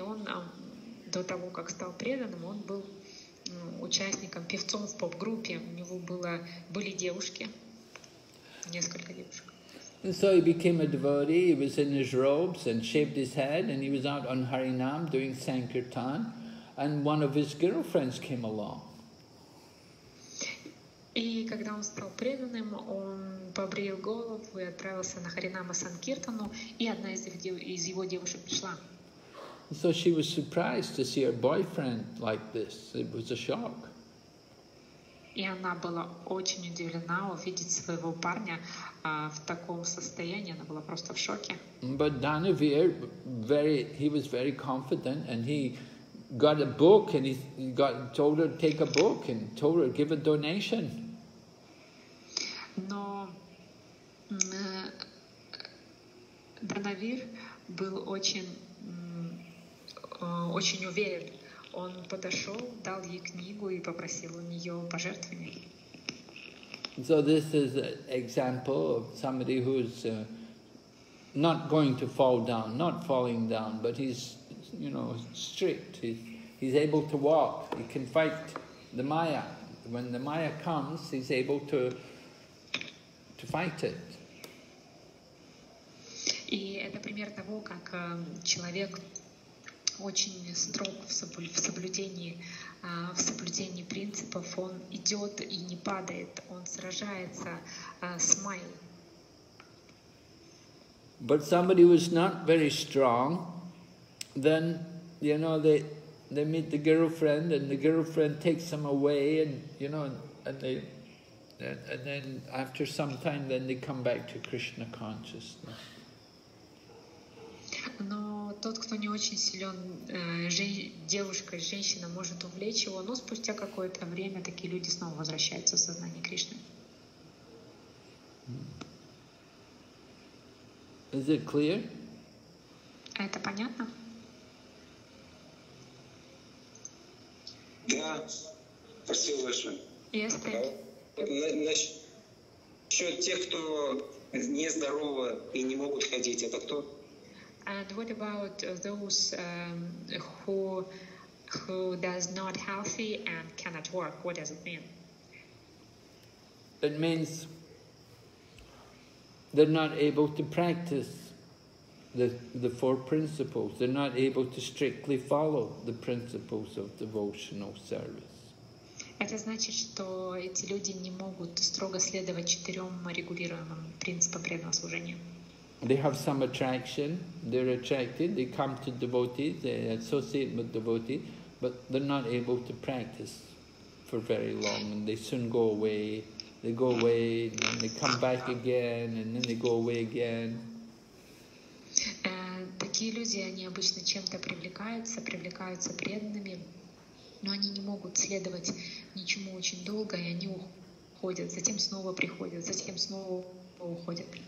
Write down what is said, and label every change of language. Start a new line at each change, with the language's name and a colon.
Russian: Он до того, как стал преданным, он был участником, певцом в поп-группе. У него были девушки, несколько девушек.
English: And so he became a devotee. He was in his robes and shaved his head, and he was out on Harinam doing Sankirtan, and one of his girlfriends came along.
Russian: И когда он стал преданным, он побрил голову и отправился на Харинама Санкиртану, и одна из его девушек пришла.
English: So she was surprised to see her boyfriend like this. It was a shock.
Russian: И она была очень удивлена увидеть своего парня в таком состоянии. Она была просто в шоке.
English: But Dhanavir, he was very confident, and he got a book, and told her to take a book, and told her to give a donation.
Russian: Но Dhanavir был очень уверен. Он подошел, дал ей книгу и попросил у нее пожертвования.
English: So this is an example of somebody who's not going to fall down, not falling down, but he's, you know, strict. He's able to walk. He can fight the Maya. When the Maya comes, he's able to fight it.
Russian: И это пример того, как человек очень строг в соблюдении принципов. Он идет и не падает. Он сражается с Майей.
English: But somebody who is not very strong, then, you know, they meet the girlfriend, and the girlfriend takes them away, and, you know, and then after some time, then they come back to Krishna consciousness.
Russian: Но тот, кто не очень силен, девушка, женщина может увлечь его, но спустя какое-то время такие люди снова возвращаются в сознание Кришны.
English: Is it clear?
Russian: Это понятно? Да. Спасибо большое.
English: Yes, thank you.
Russian: Насчет тех, кто нездорово и не могут ходить, это кто?
English: And what about those who does not healthy and cannot work? What does it mean? It means they're not able to practice the four principles. They're not able to strictly follow the principles of devotional service.
Russian: Это значит, что эти люди не могут строго следовать четырем регулируемым принципам преданного служения.
English: They have some attraction, they're attracted, they come to devotees, they associate with devotees, but they're not able to practice for very long, and they soon go away, and then they come back again, and then they go away again.
Russian: Такие люди, они обычно чем-то привлекаются преданными, но они не могут следовать ничему очень долго, и они уходят, затем снова приходят, затем снова уходят.